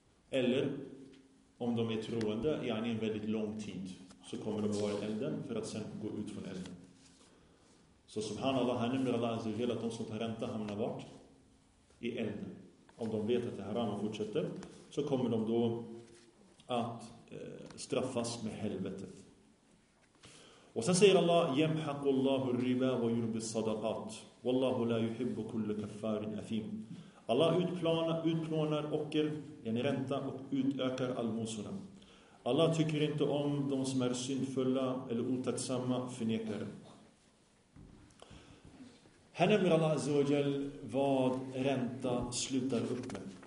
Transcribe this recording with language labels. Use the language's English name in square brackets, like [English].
[Swedish] Eller om de är troende i en väldigt lång tid så kommer de att vara i elden för att sen gå ut från elden. Så subhanallah, han nämner Allah azza wa jalla att de som tar ränta hamnar vart? I elden. Om de vet att det här haram fortsätter så kommer de då att straffas med helvetet. Och sen säger Allah, [Arabic] يَمْحَقُ اللَّهُ الرِّبَى وَيُرْبِ الصَّدَقَاتِ وَاللَّهُ لَا يُحِبُّ كُلَّ كَفَّارٍ أَثِيمٍ. [Swedish] Allah utplånar ocker, en ränta, och utökar almosorna. Allah tycker inte om de som är syndfulla eller otacksamma förnekare. Här nämner Allah azza wa jall vad ränta slutar upp med.